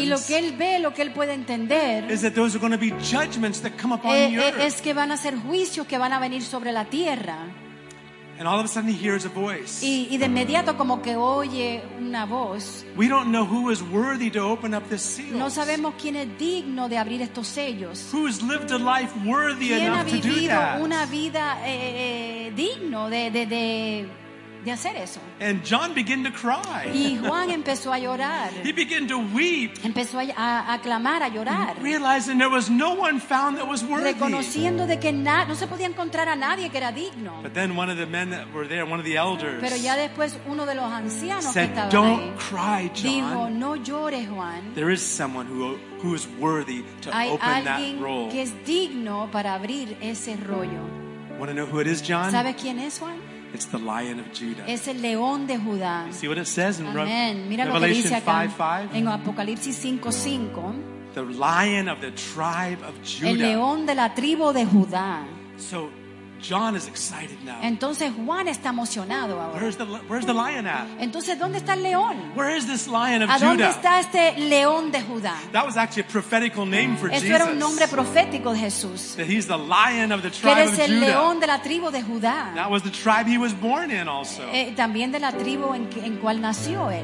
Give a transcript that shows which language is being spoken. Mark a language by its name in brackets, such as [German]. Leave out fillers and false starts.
[Spanish] y lo que él ve, lo que él puede entender, [English] is that those are going to be judgments that come upon the earth. [Spanish] Es que van a ser juicios que van a venir sobre la tierra. [English] And all of a sudden he hears a voice. [Spanish] Y de inmediato como que oye una voz. [English] We don't know who is worthy to open up this seal. [Spanish] No sabemos quién es digno de abrir estos sellos. [English] Who has lived a life worthy enough to do that? [Spanish] Una vida digno de hacer eso. [English] And John began to cry. [Spanish] Y Juan empezó a llorar. [English] He began to weep. [Spanish] Empezó a clamar, a llorar. [English] Realizing there was no one found that was worthy. [Spanish] Reconociendo de que no se podía encontrar a nadie que era digno. [English] But then one of the men that were there, one of the elders, [Spanish] pero ya después uno de los ancianos [English] said, [Spanish] que estaba [English] "Don't [Spanish] ahí, [English] cry, John." [Spanish] Dijo, "No llores, Juan." [English] There is someone who is worthy to [Spanish] hay [English] open [Spanish] alguien [English] that role. [Spanish] Que es digno para abrir ese rollo. [English] Want to know who it is, John? [Spanish] ¿Sabes quién es, Juan? [English] It's the Lion of Judah. [Spanish] Es el león de Judá. [English] You see what it says in Revelation 5:5. The Lion of the tribe of Judah. [Spanish] El león de la tribu de Judá. [English] So John is excited now. [Spanish] Entonces Juan está emocionado ahora. [English] Where's the lion at? [Spanish] Entonces dónde está el león? [English] Where is this lion of [Spanish] ¿A dónde [English] Judah? [Spanish] Está este león de Judá? [English] That was actually a prophetical name for [Spanish] Eso [English] Jesus. [Spanish] Era un nombre profético de Jesús. [English] That he's the lion of the tribe of Judah. [Spanish] Que es el león de la tribu de Judá. [English] That was the tribe he was born in also. [Spanish] También de la tribu en cual nació él.